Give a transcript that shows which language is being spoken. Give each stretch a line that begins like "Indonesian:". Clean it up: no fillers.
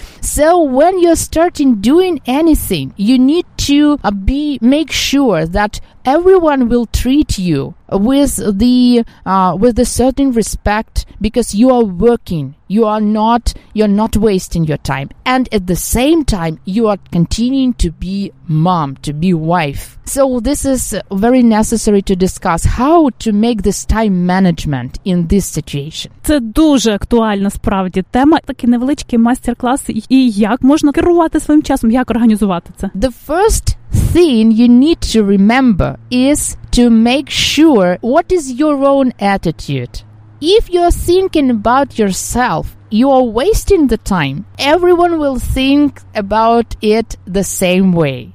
English: So when you're starting doing anything, you need to make sure that everyone will treat you with a certain respect, because you are working. You're not wasting your time. And at the same time, you are continuing to be mom, to be wife. So this is very necessary to discuss how to make this time management in this situation.
Ukrainian: Це дуже актуальна справді тема. Такий невеличкий майстер-клас, і як можна керувати своїм часом, як організувати це?
English: The first thing you need to remember is to make sure what is your own attitude. If you're thinking about yourself, you are wasting the time. Everyone will think about it the same way.